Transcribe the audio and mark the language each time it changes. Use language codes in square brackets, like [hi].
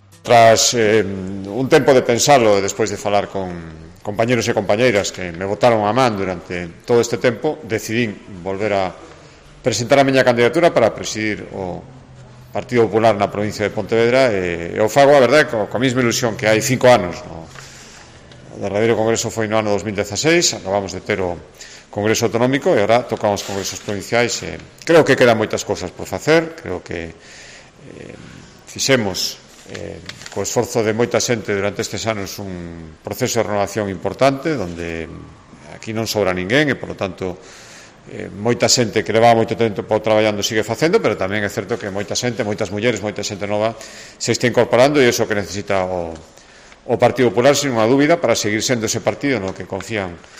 [es] Tras un tiempo de pensarlo, después de hablar con compañeros y compañeras que me votaron [gl] a man durante todo este tiempo, decidí volver a presentar a miña candidatura para presidir o Partido Popular na provincia de Pontevedra. O fago, a verdade, con a mesma ilusión que hai cinco anos. No? O derradeiro congreso foi no ano 2016, acabamos de ter o congreso autonómico e agora tocamos congresos provinciais. Creo que quedan moitas cosas por facer, creo que fixemos co esforzo de moita xente durante estes anos un proceso de renovación importante, donde aquí non sobra ninguén e, polo tanto, moita xente que levaba moito tempo traballando sigue facendo, pero tamén é certo que moita xente, moitas mulleres, moita xente nova se está incorporando e iso que necesita o Partido Popular, sin unha dúbida, para seguir sendo ese partido no que confían